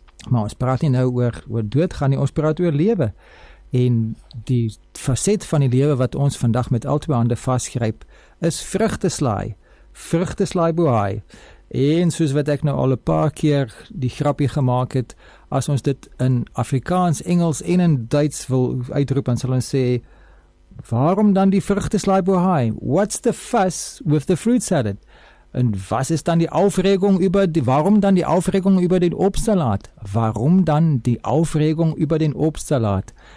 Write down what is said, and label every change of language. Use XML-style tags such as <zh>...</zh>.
<af>Maar ons praat nie nou oor doodgaan nie, ons praat oor lewe. En die facet van die lewe wat ons vandag met al twee hande vasgryp, is vrugteslaai. Vrugteslaai boai. En soos wat ek nou al 'n paar keer die grapje gemaak het, as ons dit in Afrikaans, Engels en in Duits wil uitroep, dan sal ons sê, waarom dan die vrugteslaai boai?</af> <en>What's the fuss with the fruit salad?</en> <af>En wat is dan die</af> <de>aufregung über die,</de> <af>waarom dan die</af> <de>aufregung über den Obstsalat?</de> <af>Waarom dan die</af> <de>aufregung über den Obstsalat?</de>